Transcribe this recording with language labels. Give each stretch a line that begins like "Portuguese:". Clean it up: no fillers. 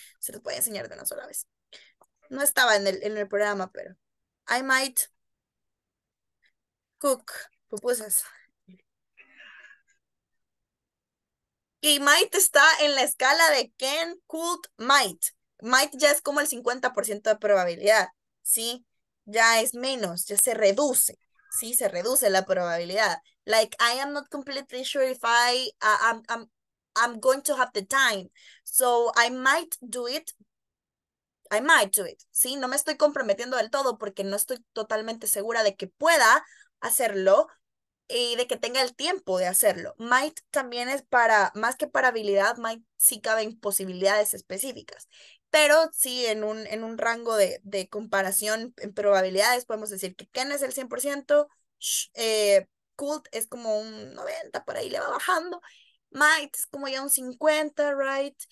Spanish: Se los voy a enseñar de una sola vez. No estaba en el programa, pero
English: I might cook pupusas.
Spanish: Y might está en la escala de can, could, might. Might ya es como el 50% de probabilidad, ¿sí? Ya es menos, ya se reduce, ¿sí? Se reduce la probabilidad.
English: Like, I am not completely sure if I'm going to have the time. So, I might do it. I might do it,
Spanish: ¿sí? No me estoy comprometiendo del todo porque no estoy totalmente segura de que pueda hacerlo y de que tenga el tiempo de hacerlo. Might también es para, más que para habilidad, might sí cabe en posibilidades específicas. Pero sí, en un rango de comparación en probabilidades, podemos decir que Ken es el 100%, Could es como un 90, por ahí le va bajando, Might es como ya un 50, right?